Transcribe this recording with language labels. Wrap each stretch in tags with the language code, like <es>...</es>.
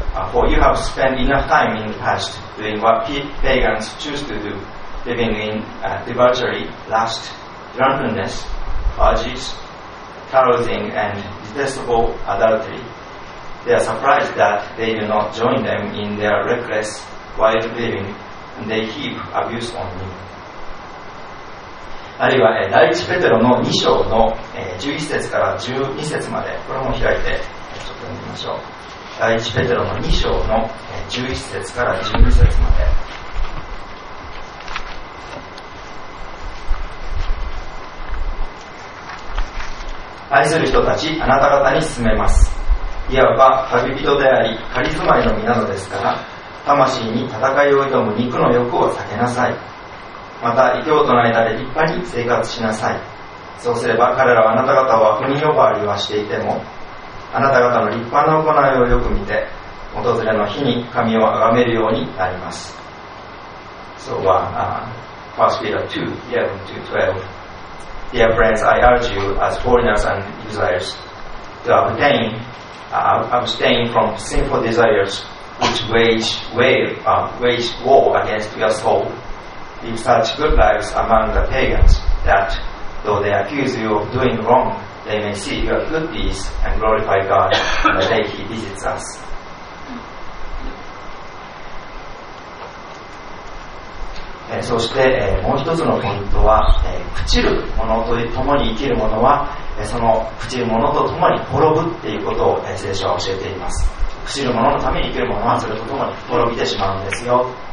<en>For you have spent enough time in the past doing what pagans choose to do, living in debauchery, lust, drunkenness, orgies, carousing, and detestable adultery. They are surprised that they do not join them in their reckless, wild living, and they heap abuse on me.</en> <ja>あるいは、第一ペテロの2章の、11節から12節まで、これも開いてちょっと読みましょう。第一ペテロの2章の、11節から12節まで、愛する人たち、あなた方に勧めます。いわば旅人であり仮住まいの身なのですから、魂に戦いを挑む肉の欲を避けなさい。また異教徒の間で立派に生活しなさい。そうすれば彼らはあなた方を悪人呼ばわりはしていても、あなた方の立派な行いをよく見て、訪れの日に神を崇めるようになります。</ja> <en>So First Peter 2:11-12. Dear friends, I urge you as foreigners and exiles to abstain from sinful desires which wage war against your soul. Live such good lives among the pagans that, though they accuse you of doing wrong, they may see your good deeds and glorify God on the day He visits us.</en> <ja>そして、もう一つのポイントは、朽ちる者と共に生きる者は、その朽ちる者と共に滅ぶっていうことを、聖書は教えています。朽ちる者のために生きる者はそれと共に滅びてしまうんですよ。</ja>